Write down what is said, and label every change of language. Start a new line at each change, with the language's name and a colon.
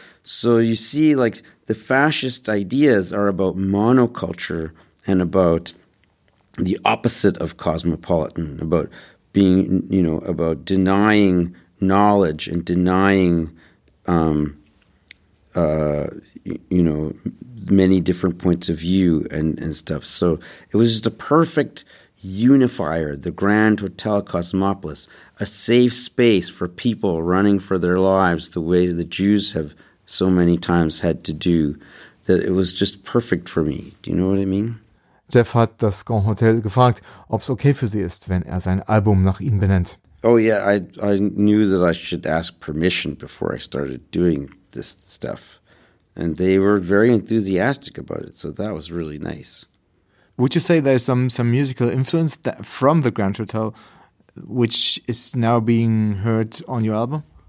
English: So you see, like, the fascist ideas are about monoculture and about the opposite of cosmopolitan, about being, you know, about denying knowledge and denying, you know, many different points of view and stuff. So it was just a perfect unifier, the Grand Hotel Cosmopolis, a safe space for people running for their lives the way the Jews have so many times had to do, that it was just perfect for me. Do you know what I mean?
German: Jeff hat das Grand Hotel gefragt, ob es okay für sie ist, wenn sein Album nach ihnen benennt.
English: Oh yeah, I knew that I should ask permission before I started doing this stuff. And they were very enthusiastic about it, so that was really nice. Would you say there's some musical influence that from the Grand Hotel, which is now being heard on your album?